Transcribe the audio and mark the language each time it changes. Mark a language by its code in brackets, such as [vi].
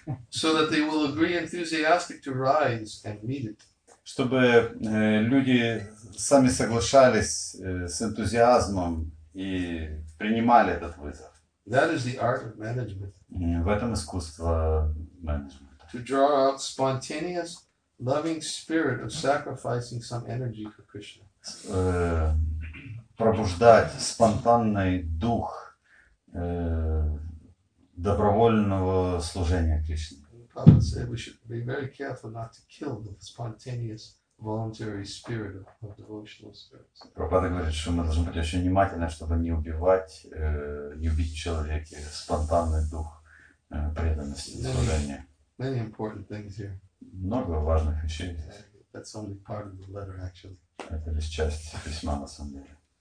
[en] So that they will agree enthusiastic to rise and meet it. [ru] Чтобы люди сами соглашались с энтузиазмом и принимали этот вызов. [en] That is the art of management. [ru] В этом искусство менеджмента. [en] To draw out spontaneous, loving spirit of sacrificing some energy for Krishna. [ru] Пробуждать спонтанный дух добровольного служения Кришне. [en] Prabhupada said we should be very careful not to kill the spontaneous voluntary spirit of devotional spirits. [ru] Prabhupada говорит, что мы должны быть очень внимательны, чтобы не убивать, не убить в человеке спонтанный дух преданности и служения. [en] Many important things here. [ru] Много важных вещей. [en] That's only part of the letter, actually. [ru] Это лишь часть письма, на самом деле.